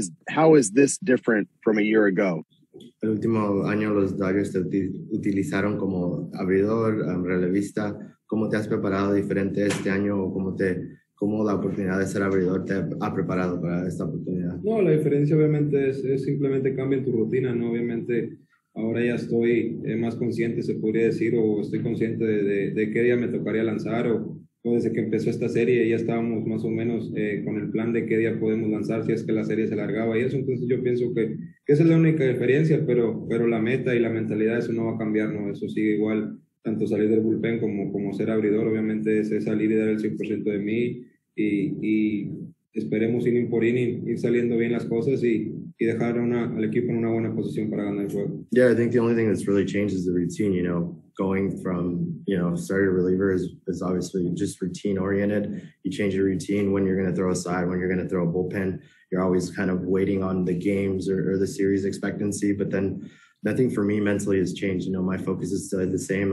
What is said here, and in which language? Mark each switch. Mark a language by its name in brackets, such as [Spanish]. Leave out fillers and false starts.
[English] How is this different from a year ago? [Spanish] El último año los Dodgers te utilizaron como abridor, relevista. ¿Cómo te has preparado diferente este año o cómo la oportunidad de ser abridor te ha preparado para esta oportunidad? No, la diferencia obviamente es simplemente cambia en tu rutina, ¿no? Obviamente ahora ya estoy más consciente, se podría decir, o estoy consciente de qué día me tocaría lanzar, o desde que empezó esta serie ya estábamos más o menos con el plan de qué día podemos lanzar si es que la serie se alargaba y eso. Entonces yo pienso que esa es la única diferencia, pero la meta y la mentalidad, eso no va a cambiar, ¿no? Eso sigue igual, tanto salir del bullpen como ser abridor. Obviamente es salir y dar el 100% de mí y esperemos inning por inning ir saliendo bien las cosas y dejar al equipo en una buena posición para ganar el juego. [English] Yeah, I think the only thing that's really changed is the routine. You know, going from, you know, starter reliever is obviously just routine oriented. You change your routine when you're going to throw a side, when you're going to throw a bullpen. You're always kind of waiting on the games or the series expectancy. But then nothing for me mentally has changed. You know, my focus is still the same.